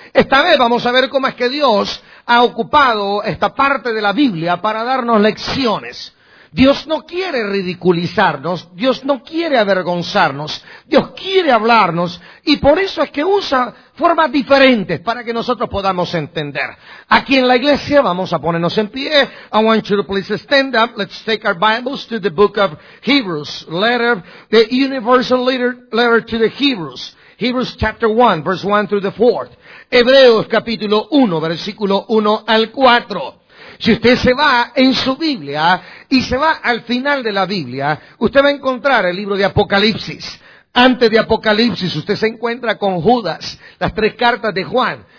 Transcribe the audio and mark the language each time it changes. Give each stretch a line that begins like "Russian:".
Spanish: Esta vez vamos a ver cómo es que Dios ha ocupado esta parte de la Biblia para darnos lecciones. Dios no quiere ridiculizarnos, Dios no quiere avergonzarnos, Dios quiere hablarnos, y por eso es que usa formas diferentes para que nosotros podamos entender. Aquí en la iglesia vamos a ponernos en pie.
English: I want you to please stand up. Let's take our Bibles to the book of Hebrews, letter, the universal letter to the Hebrews. Hebrews chapter 1, verse 1 through the 4th.
Spanish: Hebreos capítulo 1, versículo 1 al 4. Si usted se va en su Biblia y se va al final de la Biblia, usted va a encontrar el libro de Apocalipsis. Antes de Apocalipsis, usted se encuentra con Judas, las tres cartas de Juan.